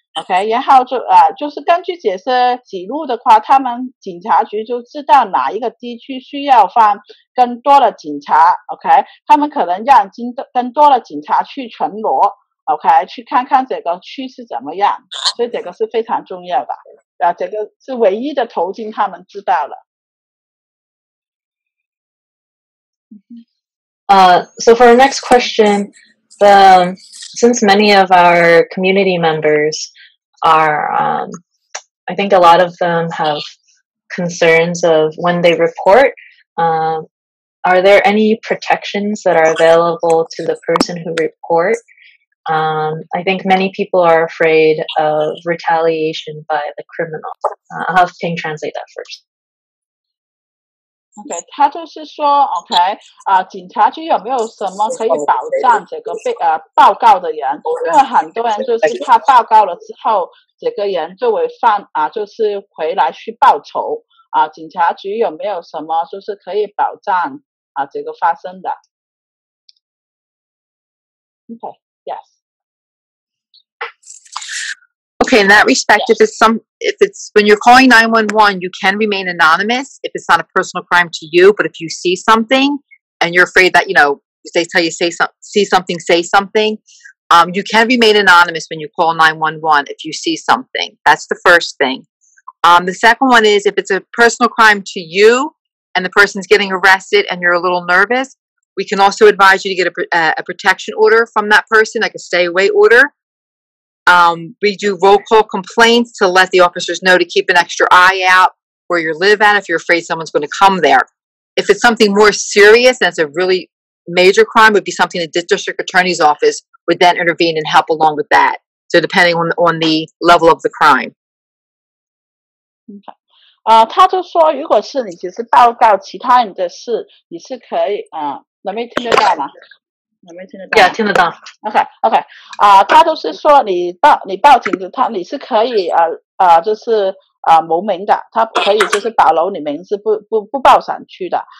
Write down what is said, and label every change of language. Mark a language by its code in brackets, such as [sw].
[zh] OK， 然后就是根据这些记录的话，他们警察局就知道哪一个地区需要放更多的警察。 OK， 他们可能让更多的警察去巡逻。 OK， 去看看这个区是怎么样，所以这个是非常重要的。这个是唯一的途径，他们知道了。 [en] So for our next question, since many of our community members. I think a lot of them have concerns of when they report. Are there any protections that are available to the person who report? I think many people are afraid of retaliation by the criminal. I'll have Ping translate that first. [zh] OK， 他就是说 ，OK， 警察局有没有什么可以保障这个被报告的人？因为很多人就是怕报告了之后，这个人作为犯就是回来去报仇警察局有没有什么就是可以保障这个发生的 ？OK， yes。 [en] Okay, in that respect, yes. if it's when you're calling 911, you can remain anonymous if it's not a personal crime to you. But if you see something and you're afraid that, you know, they tell you say something, you can remain anonymous when you call 911 if you see something. That's the first thing. The second one is if it's a personal crime to you and the person's getting arrested and you're a little nervous, we can also advise you to get a protection order from that person, like a stay away order. We do roll call complaints to let the officers know to keep an extra eye out where you live at if you're afraid someone's going to come there. If it's something more serious, that's a really major crime, would be something the district attorney's office would then intervene and help along with that. So depending on the level of the crime. Okay. [zh] 他就说如果是你只是报告其他人的事，你是可以能不能听得到吗？能没听得到？ Yeah, 听得到。 OK, OK, 他就是说你报警的他你是可以就是无名的，他可以就是保留你名字不报上去的。